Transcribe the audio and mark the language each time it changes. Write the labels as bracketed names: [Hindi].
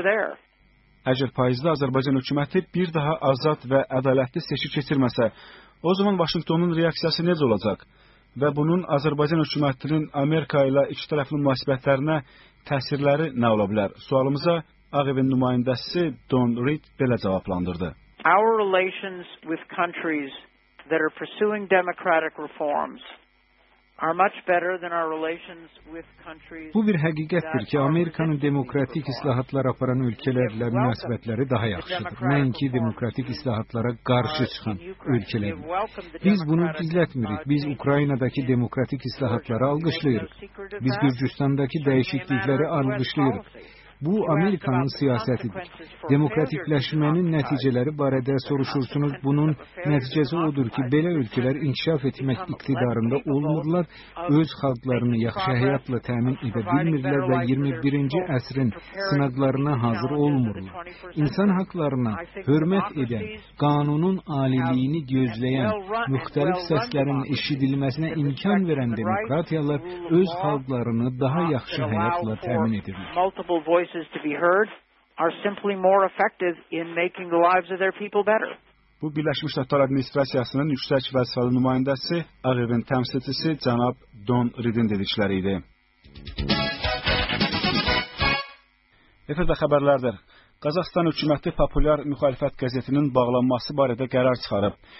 [Azerbaijani] Əgər payızda Azərbaycan hökuməti bir daha azad və ədalətli seçki keçirməsə, o zaman Vaşinqtonun reaksiyası necə olacaq? Və bunun Azərbaycan hökumətinin Amerika ilə iki tərəfli münasibətlərinə təsirləri nə ola bilər? Sualımıza Ağ Evin nümayəndəsi Don Reed belə cavablandırdı. [English] Our relations with countries that are pursuing democratic reforms are much better than our relations with countries. [Azerbaijani] Bu bir həqiqətdir ki, Amerikanın demokratik islahatlar aparan ölkələrlə münasibətləri daha yaxşıdır. Nəinki demokratik islahatlara qarşı çıxan ölkələr. Biz bunu gizlətmirik. Biz Ukraynadakı demokratik islahatları alqışlayırıq. Biz Gürcüstandakı dəyişiklikləri alqışlayırıq. Bu, Amerikanın siyasətidir. Demokratikləşmənin nəticələri barədə soruşursunuz. Bunun nəticəsi odur ki, belə ölkələr inkişaf etmək iqtidarında olmurlar, öz xalqlarını yaxşı həyatla təmin edə bilmirlər və 21-ci əsrin sınaqlarına hazır olmurlar. İnsan haqlarına hörmət edən, qanunun aliliyini gözləyən, müxtəlif səslərin eşidilməsinə imkan verən demokratiyalar öz xalqlarını daha yaxşı həyatla təmin edirlər. [English] Voices to be heard are simply more effective in making the lives of their people better. [Azerbaijani] Bu Birləşmiş Ştatlar administrasiyasının yüksək vəzifəli nümayəndəsi, Ağ Evin təmsilçisi cənab Don Reed-in dedikləri idi. Efirdə xəbərlərdir. Qazaxıstan hökuməti populyar müxalifət qəzetinin bağlanması barədə qərar çıxarıb.